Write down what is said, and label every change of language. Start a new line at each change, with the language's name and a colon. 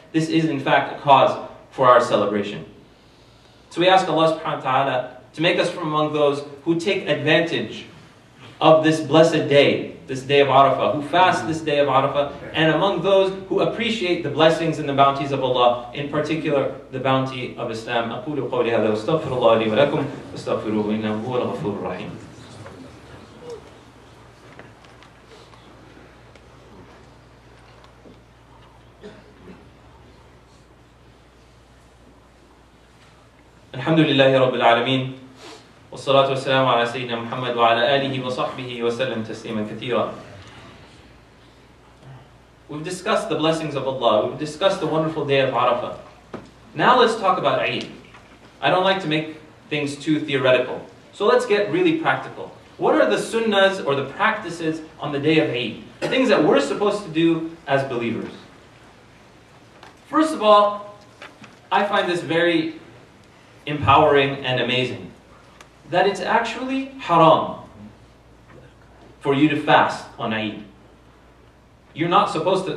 English: This is in fact a cause for our celebration. So we ask Allah subhanahu wa ta'ala to make us from among those who take advantage of this blessed day, this day of Arafah, who fast this day of Arafah, and among those who appreciate the blessings and the bounties of Allah, in particular the bounty of Islam.
Arabic: أقول قولي هذا واستغفر الله لي ولكم واستغفروه إنه هو الغفور الرحيم. الحمد لله رب العالمين والصلاة والسلام على سيدنا محمد وعلى آله وصحبه وسلم تسليما كثيرا.
English: We've discussed the blessings of Allah. We've discussed the wonderful day of Arafah. Now let's talk about Eid. I don't like to make things too theoretical. So let's get really practical. What are the sunnahs or the practices on the day of Eid? Things that we're supposed to do as believers. First of all, I find this very empowering and amazing, that it's actually haram for you to fast on Eid. You're not supposed to.